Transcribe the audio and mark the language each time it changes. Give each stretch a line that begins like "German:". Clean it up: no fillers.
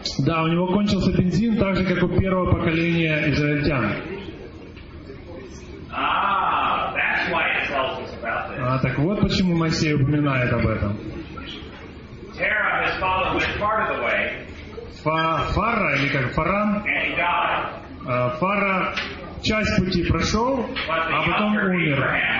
Russian: Да, у него кончился бензин, так же как у первого поколения израильтян.
English: That's why it tells us about this.
Russian: Так вот почему Моисей упоминает об этом.
English: Terah, his father, went part of the way.
Russian: Фара, или как, Фаран, Фара часть пути прошел, а потом умер.